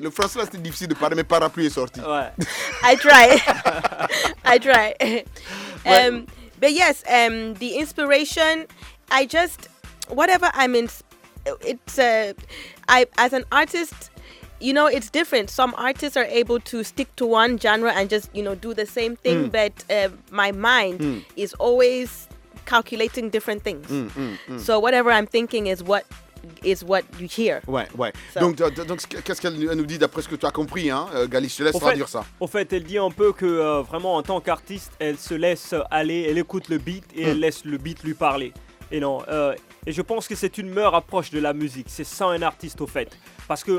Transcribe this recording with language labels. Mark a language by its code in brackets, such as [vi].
[fr] Le français, là, c'était difficile de parler, mais parapluie est sorti. Ouais. [en] I try. But yes, the inspiration, I just, whatever I'm in, as an artist, you know, it's different. Some artists are able to stick to one genre and just, you know, do the same thing. Mm. But my mind is always calculating different things. Mm, mm, mm. So whatever I'm thinking is what you hear. [fr] Ouais, ouais. So. Donc, qu'est-ce qu'elle nous dit d'après ce que tu as compris, hein, Galice? Je laisse traduire ça. Au fait, elle dit un peu que vraiment en tant qu'artiste, elle se laisse aller, elle écoute le beat et elle laisse le beat lui parler. Et non. Et je pense que c'est une meilleure approche de la musique. C'est sans un artiste, au fait. Parce que,